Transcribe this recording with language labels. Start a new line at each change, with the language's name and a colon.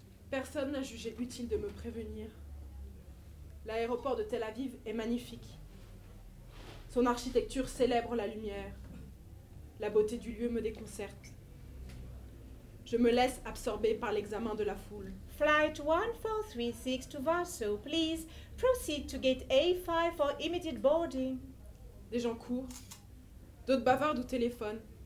French: Personne n'a jugé utile de me prévenir. L'aéroport de Tel Aviv est magnifique. Son architecture célèbre la lumière. La beauté du lieu me déconcerte. Je me laisse absorber par l'examen de la foule.
English: Flight 1436 to Warsaw, please. Proceed to gate A5 for immediate boarding.
French: Des gens courent, d'autres bavardent au téléphone.